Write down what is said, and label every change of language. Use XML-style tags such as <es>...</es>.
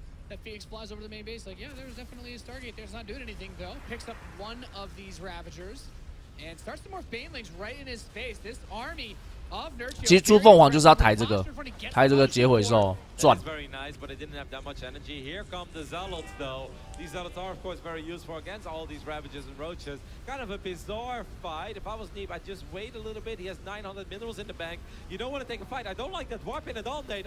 <en>That Phoenix flies over the main base, like, yeah, there's definitely a Stargate there. It's not doing anything, though. Picks up one of these Ravagers and starts to morph Banelings right in his face. This army of Nurchio.</en> <zh>其实出凤凰就是要抬这个劫毁兽赚。</zh> <en>That's very nice, but it didn't have that much energy. Here come the Zealots, though. These Zealots are, of course, very useful against all these Ravagers and Roaches. Kind of a bizarre fight. If I was Neep, I'd just wait a little bit. He has 900 minerals in the bank. You don't want to take a fight. I don't like that warp in at all, Nate.</en>